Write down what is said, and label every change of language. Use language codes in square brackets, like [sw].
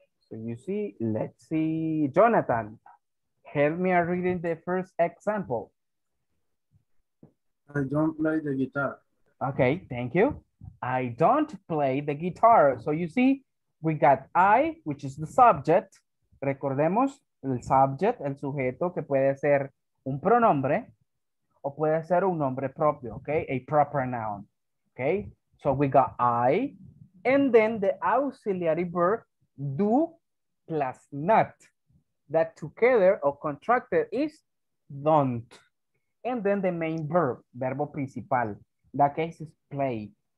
[en] So you see, let's see, Jonathan, help me reading the first example. I don't play the guitar. Okay, thank you. I don't play the guitar. So you see, we got I, which is the subject. [es] Recordemos, el subject, el sujeto, que puede ser un pronombre o puede ser un nombre propio, okay? [en] A proper noun, okay? So we got I, and then the auxiliary verb do plus not. That together or contracted is don't. And then the main verb, verbo principal. That case is play.